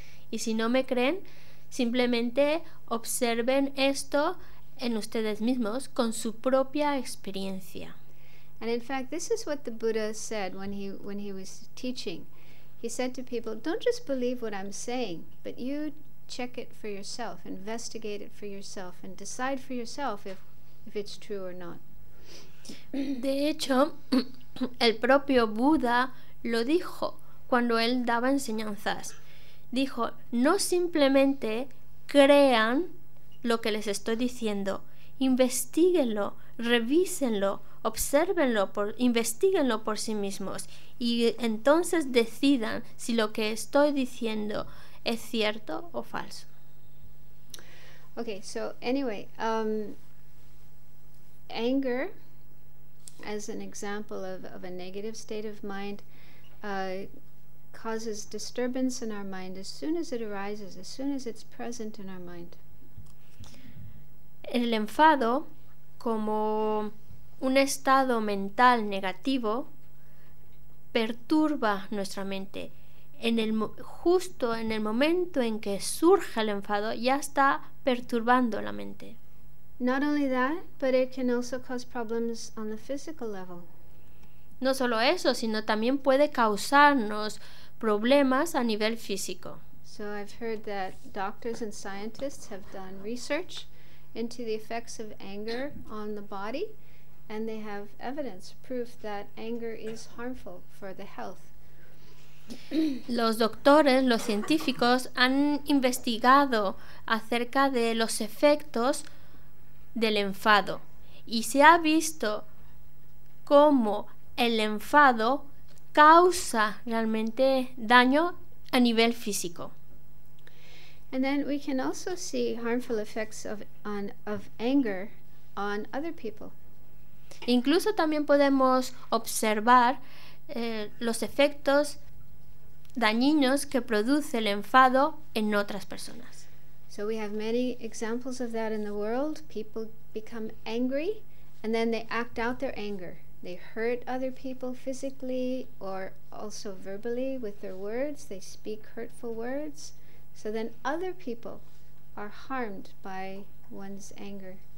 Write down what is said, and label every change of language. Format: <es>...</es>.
<es>Y si no me creen, simplemente observen esto en ustedes mismos con su propia experiencia.</es> <en>And in fact, this is what the Buddha said when he was teaching. He said to people, don't just believe what I'm saying, but you check it for yourself, investigate it for yourself, and decide for yourself if it's true or not.</en> <es>De hecho, el propio Buda lo dijo cuando él daba enseñanzas. Dijo, no simplemente crean lo que les estoy diciendo, investíguenlo, revísenlo, obsérvenlo, investíguenlo por sí mismos y entonces decidan si lo que estoy diciendo es cierto o falso.</es> <en>Okay, so anyway, anger as an example of a negative state of mind causes disturbance in our mind as soon as it arises, as soon as it's present in our mind.</en> <es>El enfado como un estado mental negativo perturba nuestra mente justo en el momento en que surge el enfado, ya está perturbando la mente.</es> <en>Not only that, but it can also cause problems on the physical level.</en> <es>No solo eso, sino también puede causarnos problemas a nivel físico.</es> <en>So I've heard that doctors and scientists have done research into the effects of anger on the body, and they have evidence, proof that anger is harmful for the health.</en> <es>Los doctores, los científicos han investigado acerca de los efectos del enfado y se ha visto cómo el enfado causa realmente daño a nivel físico.</es> <en>And then we can also see harmful effects of anger on other people.</en> <es>Incluso también podemos observar los efectos dañinos que produce el enfado en otras personas.</es> <en>So we have many examples of that in the world. People become angry and then they act out their anger. They hurt other people physically or also verbally with their words. They speak hurtful words. So then other people are harmed by one's anger.</en>